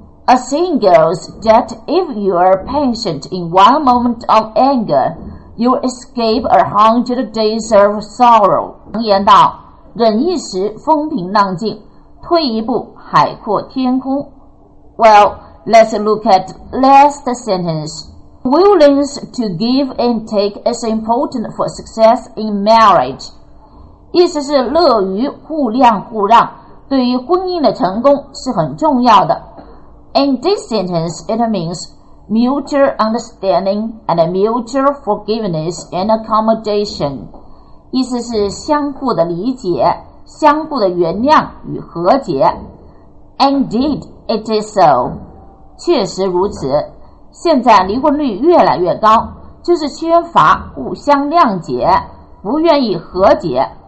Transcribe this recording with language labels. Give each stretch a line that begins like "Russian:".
English: A saying goes that if you are patient in one moment of anger, You escape 100 days of sorrow.
Chinese: 常言道，忍一时风平浪静，退一步海阔天空。
English: Well, let's look at last sentence. Willingness to give and take is important for success in marriage.
Chinese: 意思是乐于互谅互让，对于婚姻的成功是很重要的。
English: In this sentence, it means mutual understanding and mutual forgiveness and accommodation.
Chinese: 意思是相互的理解，相互的原谅与和解。
English: Indeed, it is so.
Chinese: 确实如此。现在离婚率越来越高，就是缺乏互相谅解，不愿意和解。